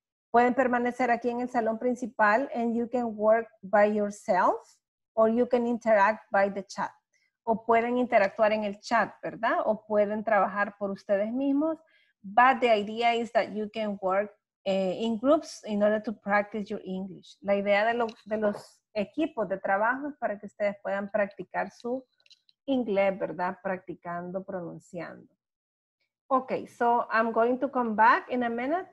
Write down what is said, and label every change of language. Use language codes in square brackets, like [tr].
[es] Pueden permanecer aquí en el salón principal [en] and you can work by yourself or you can interact by the chat. [es] O pueden interactuar en el chat, ¿verdad? O pueden trabajar por ustedes mismos. [en] But the idea is that you can work in groups in order to practice your English. [es] La idea de los equipos de trabajo para que ustedes puedan practicar su inglés, ¿verdad? Practicando, pronunciando. [en] Okay, so I'm going to come back in a minute.